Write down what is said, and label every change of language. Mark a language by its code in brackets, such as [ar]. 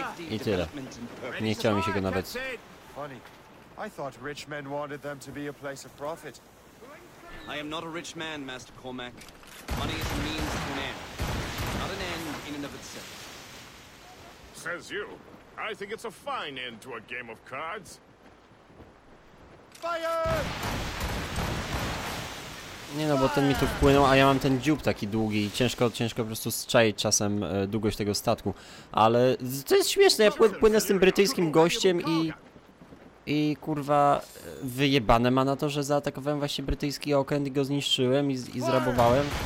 [pl] I tyle. Nie chciało mi się go nawet. [en] I thought rich men wanted them to be a place of profit. I am not a rich man, Master Cormac. Money is a means to an end. Not an end in and of itself. Says you. I think it's a fine end to a game of cards. Fire! [pl] Nie no, bo ten mi tu wpłynął, a ja mam ten dziób taki długi i ciężko po prostu strzaić czasem długość tego statku. Ale to jest śmieszne, ja płynę z tym brytyjskim gościem i kurwa wyjebane ma na to, że zaatakowałem właśnie brytyjski okręt i go zniszczyłem i zrabowałem.